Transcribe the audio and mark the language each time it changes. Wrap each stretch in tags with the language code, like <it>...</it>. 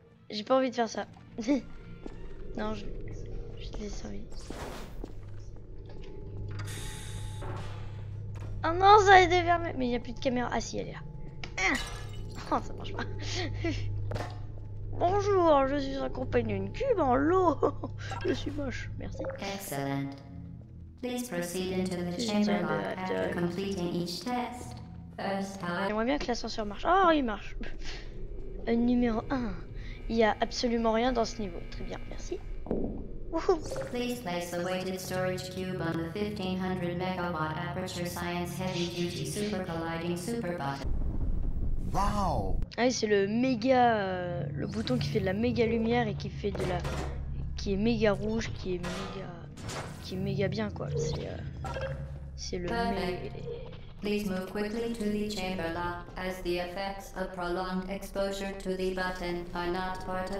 <fr>J'ai pas envie de faire ça. Non, je l'ai servi. Oh non, ça a déverrouillé. Mais il n'y a plus de caméra. Ah si, elle est là. Oh, ça marche pas. Bonjour, je suis accompagné d'une cube en l'eau. Je suis moche, merci. Excellent.</fr> <en>Please proceed into the chamber lock after completing each test. First time.</en> <fr>J'aimerais bien que l'ascenseur marche. Oh, il marche. Numéro 1. Il y a absolument rien dans ce niveau. Très bien, merci.</fr> <en>Woohoo. Please place the weighted storage cube on the 1500 megawatt aperture science heavy duty super colliding super button. Wow.</en> <fr>Ah oui, c'est le méga, le bouton qui fait de la méga lumière et qui fait de la, qui est méga rouge, qui est méga bien quoi. C'est le.</fr> <en>Please move quickly to the chamber lock as the effects of prolonged exposure to the button are not part of.</en>